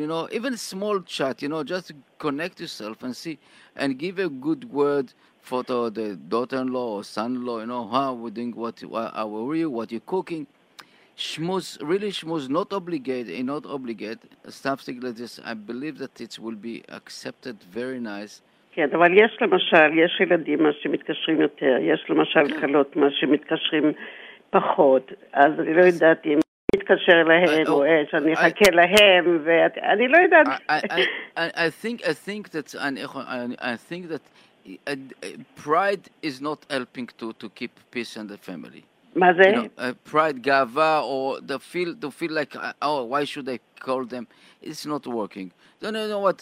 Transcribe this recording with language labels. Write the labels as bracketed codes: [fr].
[en] You know, even small chat, you know, just connect yourself and see and give a good word for the daughter-in-law or son-in-law. You know, how are we doing? How are you? What are you cooking? Shmuz, really shmuz, not obligate. Something like this, I believe that it will be accepted very nice. [he] כן, אבל יש למשל, יש ילדים מה שמתקשרים יותר. יש למשל חלות מה שמתקשרים פחות. אז אני לא יודעת אם... [en] I think that pride is not helping to keep peace in the family. [he] מה זה? [en] You know, pride, gava, or to feel like, oh, why should I call them? It's not working. Don't you know what?